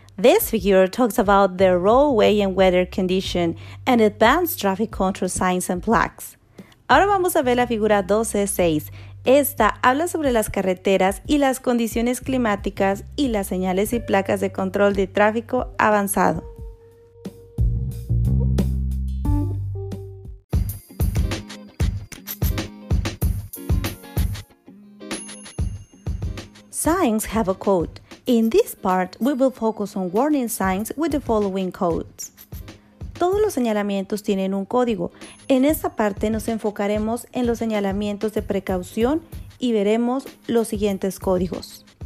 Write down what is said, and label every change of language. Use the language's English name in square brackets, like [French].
[English] This figure talks about the roadway and weather condition and advanced traffic control signs and plaques. [Spanish] Ahora vamos a ver la figura 2C6. Esta habla sobre las carreteras y las condiciones climáticas y las señales y placas de control de tráfico avanzado. [English] Signs have a code. In this part, we will focus on warning signs with the following codes. [Spanish] Todos los señalamientos tienen un código. En esta parte nos enfocaremos en los señalamientos de precaución y veremos los siguientes códigos.